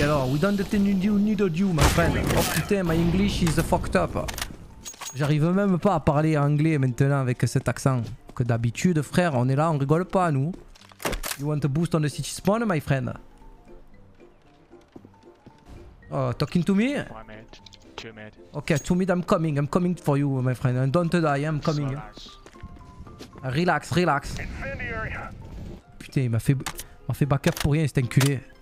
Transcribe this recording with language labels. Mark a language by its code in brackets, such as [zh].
[en] Alors, we don't need a you, my friend. [fr] Oh putain, [en] my English is fucked up. [fr] J'arrive même pas à parler anglais maintenant avec cet accent. Que d'habitude, frère, on est là, on rigole pas, nous. [en] You want a boost on the city spawn, my friend? Talking to me? One mid, two mid. Okay, two mid, I'm coming for you, my friend. And don't die, I'm coming. So nice. Relax. [fr] Putain, il m'a fait backup pour rien, cet enculé.